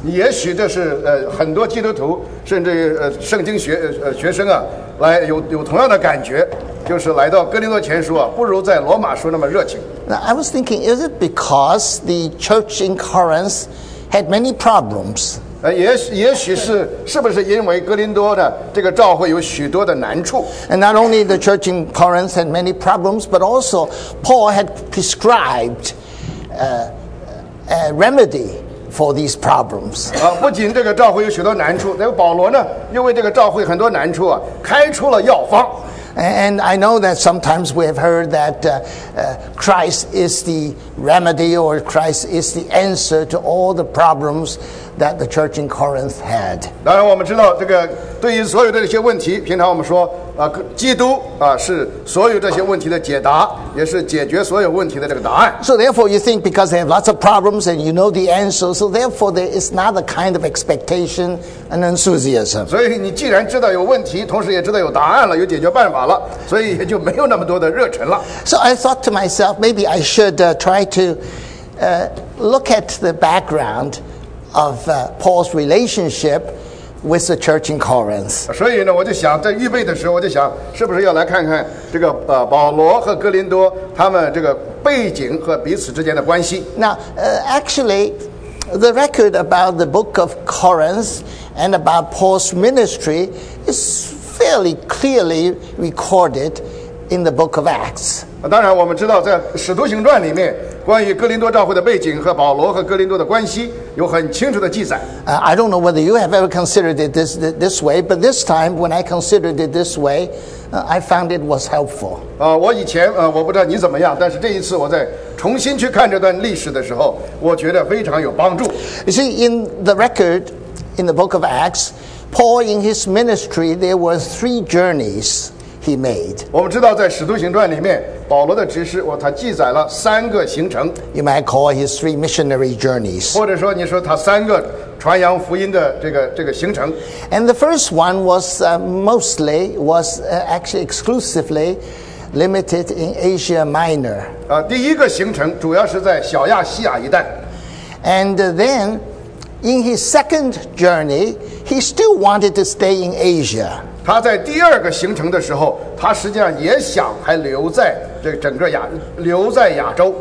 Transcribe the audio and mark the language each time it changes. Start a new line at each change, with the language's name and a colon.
Chinese: 也许这是很多基督徒，甚至圣经学生啊，来有同样的感觉，就是来到哥林多前书啊，不如在罗马书那么热情。
English: Now, I was thinking, is it because the church in Corinth had many problems?
Chinese: 也许是不是因为哥林多的这个教会有许多的难处。
English: And not only the church in Corinth had many problems, but also Paul had prescribed a remedy for these problems.
Chinese: 不仅这个教会有许多难处，那保罗呢，因为这个教会很多难处啊，开出了药方。
English: And I know that sometimes we have heard that Christ is the remedy or Christ is the answer to all the problems that the church in Corinth had.
Chinese: 当然我们知道这个对于所有的这些问题，平常我们说基督是所有这些问题的解答，也是解决所有问题的这个答案。
English: So therefore you think because they have lots of problems and you know the answer, so therefore there is not a kind of expectation and enthusiasm.
Chinese: 所以你既然知道有问题，同时也知道有答案了，有解决办法了，所以也就没有那么多的热忱了。
English: So I thought to myself, maybe I should try to look at the background of Paul's relationship with the church in Corinth.
Chinese: 所以呢，我就想在预备的时候，我就想是不是要来看看这个保罗和哥林多他们这个背景和彼此之间的关系。
English: Now, actually, the record about the book of Corinth and about Paul's ministry is fairly clearly recorded in the book of Acts.
Chinese: 当然，我们知道在《使徒行传》里面。关于哥林多教会的背景和保罗和哥林多的关系有很清楚的记载。
English: I don't know whether you have ever considered it this way, but this time when I considered it this way, I found it was helpful.
Chinese: 我以前我不知道你怎么样，但是这一次我在重新去看这段历史的时候，我觉得非常有帮助。
English: You see, in the record, in the book of Acts, Paul in his ministry, there were three journeys. He made.
Chinese: 我们知道在《使徒行传》里面，保罗的执事，他记载了三个行程。
English: You might call his three missionary journeys.
Chinese: 或者说，你说他三个传扬福音的这个行程。
English: And the first one was actually exclusively limited in Asia Minor.
Chinese: 第一个行程主要是在小亚细亚一带。
English: And then, in his second journey, he still wanted to stay in Asia.
Chinese: 他在第二个行程的时候，他实际上也想还留在这整个亚，留在亚洲。